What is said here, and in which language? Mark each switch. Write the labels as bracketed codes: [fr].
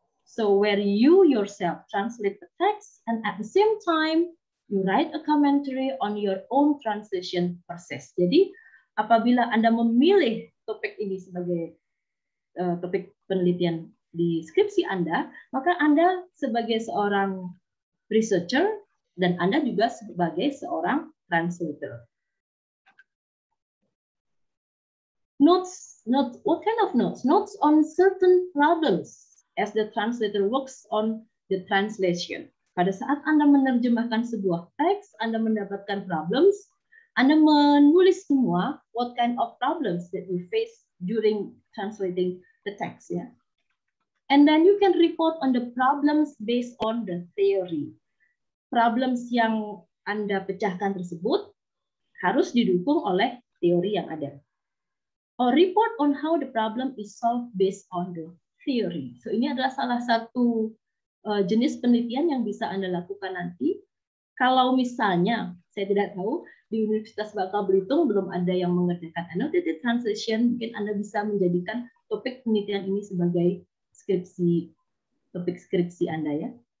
[en] So where you yourself translate the text and at the same time you write a commentary on your own translation process. [id] Jadi apabila Anda memilih topik ini sebagai topik penelitian di skripsi Anda, maka Anda sebagai seorang researcher dan Anda juga sebagai seorang translator. [en] Notes, what kind of notes? Notes on certain problems as the translator works on the translation. [id] Pada saat Anda menerjemahkan sebuah teks, Anda mendapatkan problems, Anda menulis semua [en] what kind of problems that you face during translating the text. [id] Yeah? [en] And then you can report on the problems based on the theory. [id] Problems yang Anda pecahkan tersebut harus didukung oleh teori yang ada. [en] Or report on how the problem is solved based on the theory. [id] So ini adalah salah satu jenis penelitian yang bisa Anda lakukan nanti. Kalau misalnya, saya tidak tahu, di Universitas Bangka Belitung belum ada yang mengerjakan annotated translation, mungkin Anda bisa menjadikan topik penelitian ini sebagai skripsi, topik skripsi Anda ya.